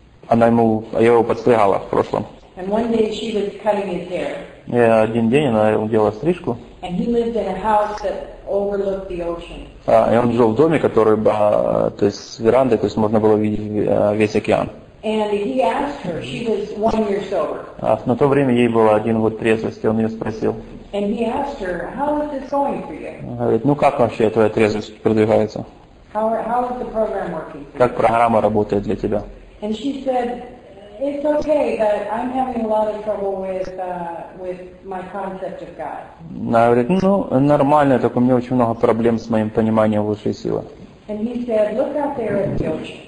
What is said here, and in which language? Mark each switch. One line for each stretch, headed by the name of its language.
Russian: Я его подстригала в прошлом.
English: And one day she was cutting his hair.
Russian: И один день она делала стрижку.
English: And he lived in a house that overlooked the ocean.
Russian: И он жил в доме, который, то есть с верандой, то есть можно было видеть весь океан.
English: And he asked her, she was 1 year sober.
Russian: На то время ей было один год трезвости, он ее спросил.
English: And he asked her, how is this going for you?
Russian: Она говорит, ну как вообще твоя трезвость продвигается?
English: How is the program working for you?
Russian: Как программа работает для тебя?
English: And she said, it's okay, but I'm having a lot of trouble with my concept of God.
Russian: Она говорит, ну, нормально, только у меня очень много проблем с моим пониманием высшей силы.
English: And he said, look out there at the ocean.